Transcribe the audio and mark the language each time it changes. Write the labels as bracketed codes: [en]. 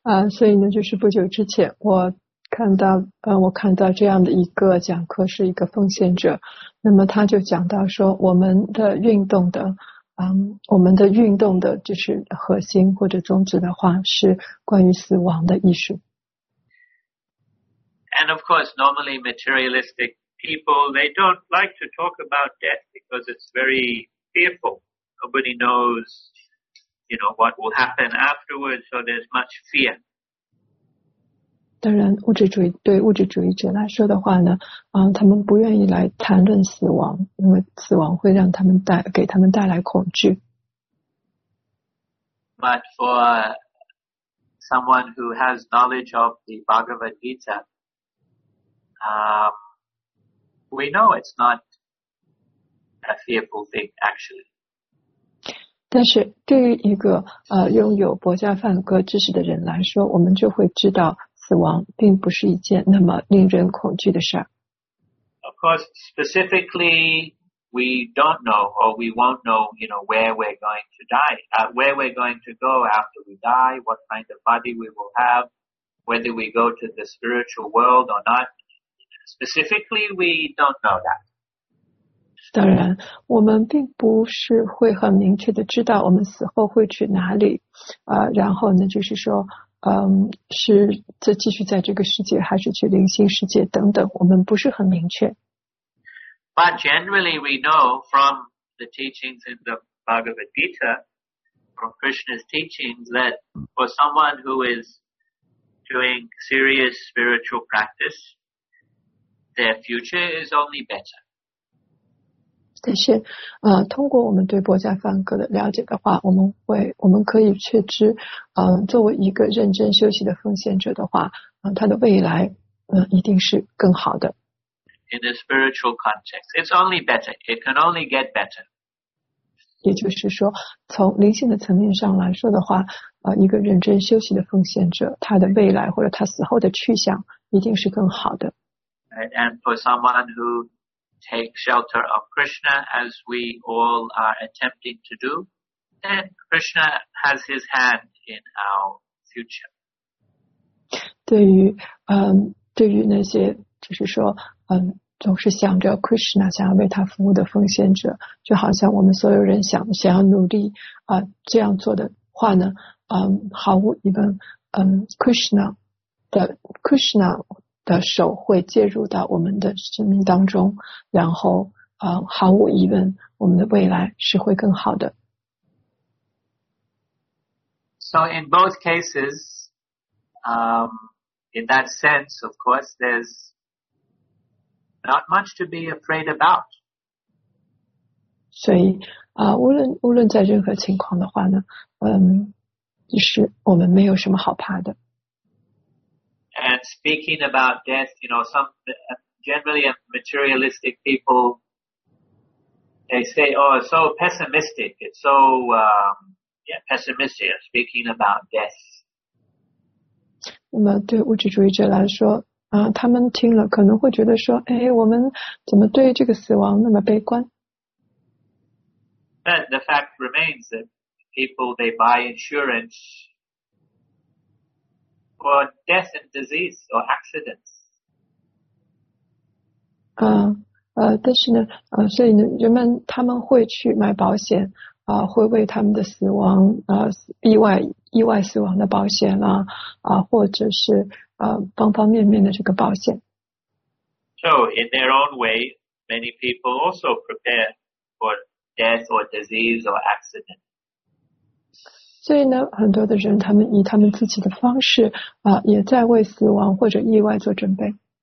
[zh] 所以呢就是不久之前我看到这样的一个讲课是一个奉献者那么他就讲到说我们的运动的就是核心或者宗旨的话是关于死亡的艺术。 [en] And of course, normally materialistic people, they don't like to talk about death because it's very fearful. Nobody knows. You know, what will happen afterwards, so there's much fear. [zh] 当然物质主义对物质主义者来说的话呢他们不愿意来谈论死亡因为死亡会让他们给他们带来恐惧。 [en] But for someone who has knowledge of the Bhagavad Gita, we know it's not a fearful thing, actually. [zh] 但是对于一个拥有博伽梵歌知识的人来说我们就会知道死亡并不是一件那么令人恐惧的事儿。 [en] Of course, specifically, we don't know or we won't know, you know, where we're going to die, where we're going to go after we die, what kind of body we will have, whether we go to the spiritual world or not. Specifically, we don't know that. [zh] 当然我们并不是会很明确的知道我们死后会去哪里然后呢就是说是再继续在这个世界还是去灵性世界等等我们不是很明确。 [en] But generally we know from the teachings in the Bhagavad Gita, from Krishna's teachings, that for someone who is doing serious spiritual practice, their future is only better. [zh] 但是通过我们对博伽梵歌的了解的话我们可以确知作为一个认真修习的奉献者的话他的未来一定是更好的。 [en] In the spiritual context, it's only better. It can only get better. [zh] 也就是说，从灵性的层面上来说的话，一个认真修习的奉献者，他的未来或者他死后的去向一定是更好的。 [en] And for someone who takes shelter of Krishna, as we all are attempting to do, then Krishna has his hand in our future. [zh] 对于那些就是说总是想着 Krishna 想要为他服务的奉献者，就好像我们所有人想要努力这样做的话呢，毫无疑问，Krishna 的手会介入到我们的生命当中，然后毫无疑问，我们的未来是会更好的。 [en] So in both cases, in that sense, of course, there's not much to be afraid about. [zh] 所以无论在任何情况的话呢，就是我们没有什么好怕的。 [en] And speaking about death, you know, some generally materialistic people, they say, oh, it's so pessimistic. It's so, pessimistic, speaking about death. [zh] 那么对物质主义者来说，他们听了可能会觉得说，哎，我们怎么对这个死亡那么悲观？ [en] But the fact remains that people, they buy insurance,or death and disease or accidents. [zh] 但是呢，所以呢，人们他们会去买保险，会为他们的死亡，意外死亡的保险啦，或者是方方面面的这个保险。 [en] So in their own way, many people also prepare for death or disease or accident. [zh] 所以呢，很多的人他们以他们自己的方式也在为死亡或者意外做准备。